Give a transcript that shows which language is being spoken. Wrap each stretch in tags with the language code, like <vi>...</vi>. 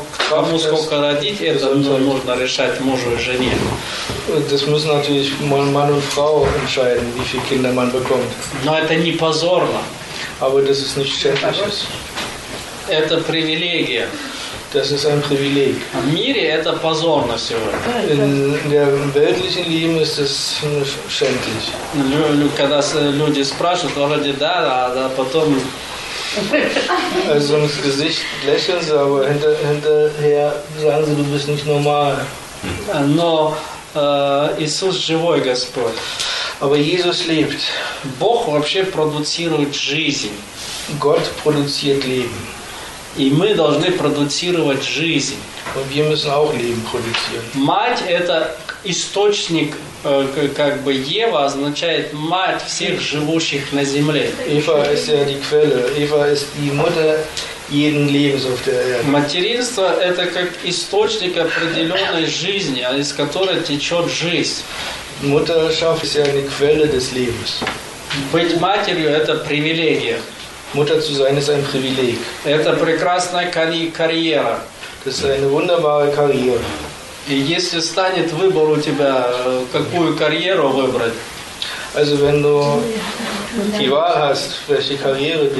<ru>Кому сколько родить, это нужно решать мужу и жене.</ru> <de>Das müssen natürlich Mann und Frau entscheiden, wie viele Kinder man bekommt.</de> <ru>Но это не позорно.</ru> <de>Aber das ist nicht schändlich.</de> <ru>Это привилегия.</ru> <de>Das ist ein Privileg.</de> <ru>В мире это позорно сегодня.</ru> <de>In der weltlichen Leben ist es schändlich.</de> <ru>Когда люди спрашивают, то вроде да, а потом...</ru> <de>Also ins Gesicht lächeln sie, aber hinterher sagen sie, du bist nicht normal.</de> <ru>Но Иисус живой Господь.</ru> <de>Aber Jesus lebt.</de> <ru>Бог вообще продуцирует жизнь.</ru> <de>Gott produziert Leben.</de> <ru>И мы должны продуцировать жизнь.</ru> <de>Und wir müssen auch Leben produzieren.</de> <ru>Мать – это источник, как бы Ева означает мать всех живущих на земле.</ru> <de>Eva ist ja die Quelle. Eva ist die Mutter jeden Lebens auf der Erde.</de> <ru>Материнство – это как источник определенной жизни, из которой течет жизнь.</ru> <de>Mutterschaft ist ja eine Quelle des Lebens.</de> <ru>Быть матерью – это привилегия.</ru> <de>Mutter zu sein ist ein Privileg.</de> <ru>Это прекрасная карьера.</ru> <de>Das ist eine wunderbare Karriere.</de> <ru>И если станет выбор у тебя, какую карьеру выбрать?</ru> <de>Also wenn du die Wahl hast, welche Karriere du</de>